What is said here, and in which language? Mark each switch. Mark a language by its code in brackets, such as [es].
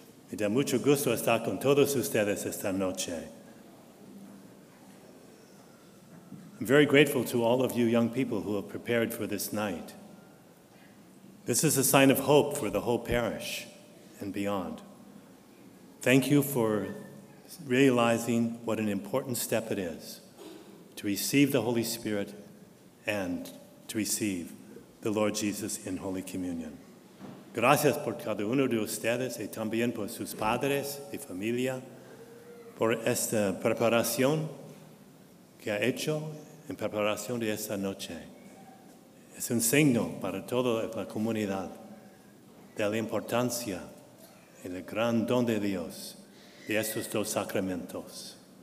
[es] Me da mucho gusto estar con todos ustedes esta noche. [en] I'm very grateful to all of you young people who have prepared for this night. This is a sign of hope for the whole parish and beyond. Thank you for realizing what an important step it is to receive the Holy Spirit and to receive the Lord Jesus in Holy Communion. [es] Gracias por cada uno de ustedes y también por sus padres y familia por esta preparación que ha hecho en preparación de esta noche. Es un signo para toda la comunidad de la importancia y el gran don de Dios de estos dos sacramentos.